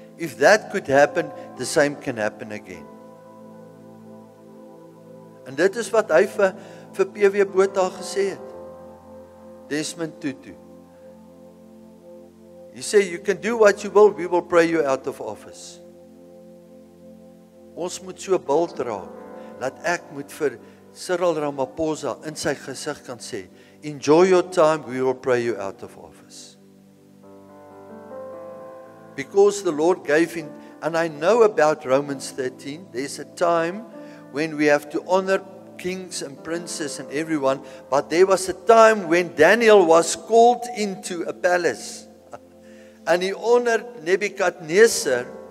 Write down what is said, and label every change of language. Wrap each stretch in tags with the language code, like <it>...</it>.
<en>If that could happen, the same can happen again. And that is what</en> <af>hy vir P.W. Botha gesê het. Desmond Tutu.</af> <en>He said, you can do what you will, we will pray you out of office.</en> <af>Ons moet so bold raak, dat ek moet vir</af> <en>Cyril Ramaphosa</en> <af>in sy gesig kan sê,</af> <en>enjoy your time, we will pray you out of office. Because the Lord gave him, and I know about Romans 13, there's a time when we have to honor kings and princes and everyone, but there was a time when Daniel was called into a palace and he honored Nebuchadnezzar,</en>